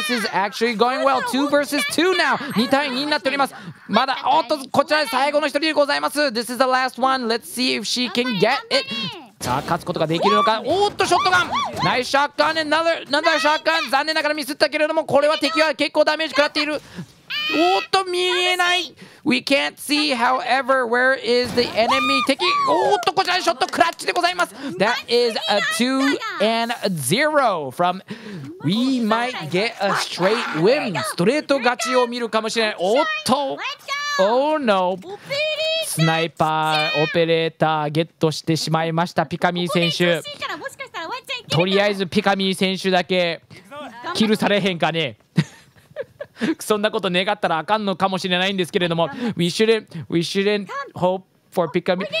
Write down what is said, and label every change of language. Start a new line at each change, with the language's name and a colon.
English: This is actually going well. 2 versus 2 now.
Japanese: 2対2になっております。まだ、おっと、こちら最後の一人でございます。
English: This is the last one. Let's see if she can get it.
Japanese: さあ、勝つことができるのか。おっと、ショットガン。ナイスショットガン。Another ショットガン。残念ながらミスったけれども、これは敵は結構ダメージ食らっている。おっと、見えない。
English: We can't see, however, where is the enemy?
Japanese: 敵、おっと、こちらショットクラッチでございます。
English: That is a 2-0 from We might get a straight win.
Japanese: ストレート勝ちを見るかもしれない。おっと、
English: Oh no.
Japanese: スナイパーオペレーターゲットしてしまいました、ピカミー選手。とりあえずピカミー選手だけキルされへんかね。そんなこと願ったらあかんのかもしれないんですけれども、
English: We shouldn't hope for Pikamee.